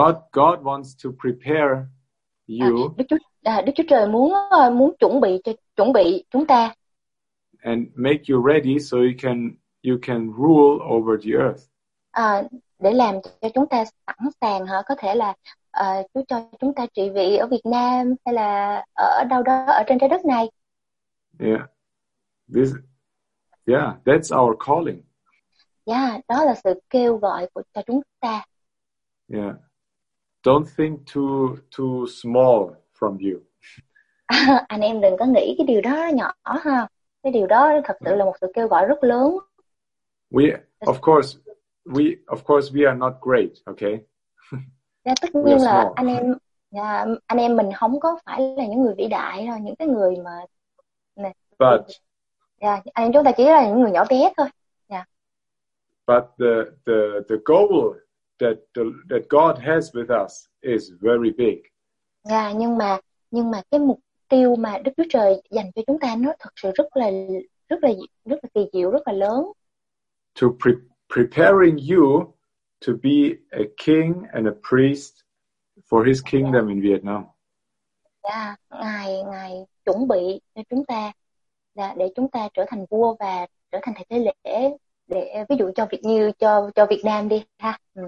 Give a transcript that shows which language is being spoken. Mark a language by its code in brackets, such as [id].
[en] God wants to prepare you. [vi] Đức Chúa Trời muốn chuẩn bị chúng ta. [en] And make you ready so you can rule over the earth. [vi] Để làm cho chúng ta sẵn sàng hả? Có thể là Chúa cho chúng ta trị vì ở Việt Nam hay là ở đâu đó ở trên trái đất này. [en] Yeah, that's our calling. [vi] Yeah, đó là sự kêu gọi của cho chúng ta. [en] Yeah, don't think too small from you. [vi] Anh em đừng có nghĩ cái điều đó nhỏ ha. Cái điều đó thật sự là một sự kêu gọi rất lớn. [en] We are not great, okay? [vi] Yeah, tất nhiên là anh em mình không có phải là những người vĩ đại đâu, những cái người mà này. [en] But [vi] yeah, anh em chúng ta chỉ là những người nhỏ bé thôi. Yeah. [en] But the goal that God has with us is very big. [vi] Yeah, nhưng mà cái mục tiêu mà Đức Chúa Trời dành cho chúng ta nó thật sự rất là kỳ diệu, rất là lớn. [en] To preparing you to be a king and a priest for his kingdom in Vietnam. [vi] Yeah, ngài chuẩn bị cho chúng ta là để chúng ta trở thành vua và trở thành thầy tế lễ để ví dụ cho Việt Nam đi ha.